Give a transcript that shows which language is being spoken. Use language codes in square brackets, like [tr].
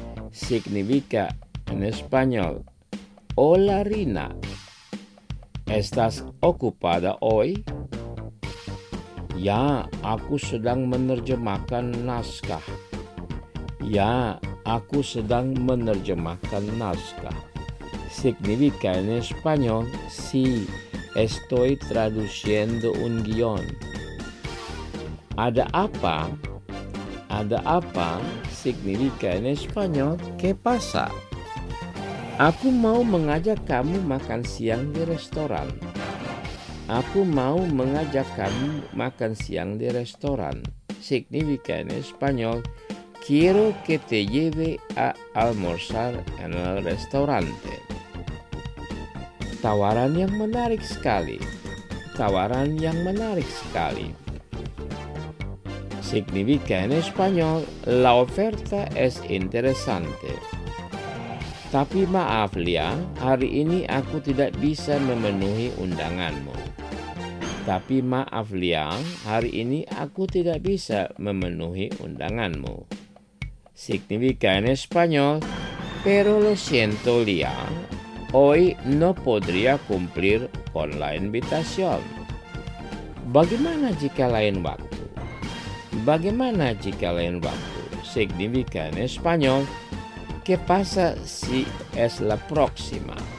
[es] Significa en español. Hola Rina. ¿Estás ocupada hoy? [id] Ya, aku sedang menerjemahkan naskah. Ya, aku sedang menerjemahkan naskah. [es] Significa en español, sí, estoy traduciendo un guión. [id] ¿Ada apa? ¿Ada apa? [es] Significa en español, ¿qué pasa? [id] Aku mau mengajak kamu makan siang di restoran. Aku mau mengajak kamu makan siang di restoran. [es] Significa en español, quiero que te lleve a almorzar en el restaurante. [id] Tawaran yang menarik sekali. Tawaran yang menarik sekali. [es] significa en español la oferta es interesante. [id] Tapi maaf Lia, hari ini aku tidak bisa memenuhi undanganmu. Tapi maaf Lia, hari ini aku tidak bisa memenuhi undanganmu. [es] Significa en español, pero lo siento Lia, hoy no podría cumplir con la invitación. [id] Bagaimana jika lain waktu? Bagaimana jika lain waktu? [es] Significa en español, ¿qué pasa si es la próxima?